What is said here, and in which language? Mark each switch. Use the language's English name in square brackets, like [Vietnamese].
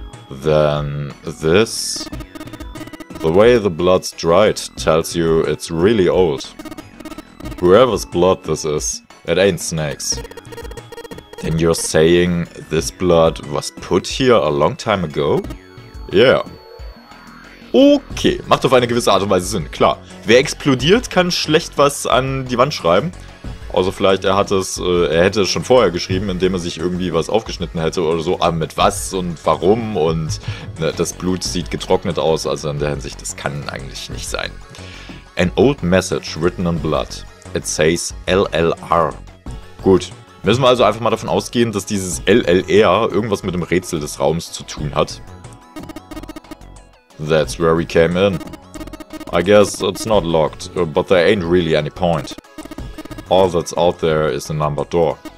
[English] Then this? The way the blood's dried tells you it's really old. Whoever's blood this is, it ain't Snake's. Then you're saying this blood was put here a long time ago? Yeah. [German] Okay, macht auf eine gewisse Art und Weise Sinn, klar. Wer explodiert, kann schlecht was an die Wand schreiben. Also vielleicht er hätte es schon vorher geschrieben, indem er sich irgendwie was aufgeschnitten hätte oder so. Aber mit was und warum und ne, das Blut sieht getrocknet aus. Also in der Hinsicht, das kann eigentlich nicht sein. [English] An old message written in blood. It says LLR. Gut, [German] Müssen wir also einfach mal davon ausgehen, dass dieses LLR irgendwas mit dem Rätsel des Raums zu tun hat. [English] That's where we came in. I guess it's not locked, but there ain't really any point. All that's out there is the numbered door.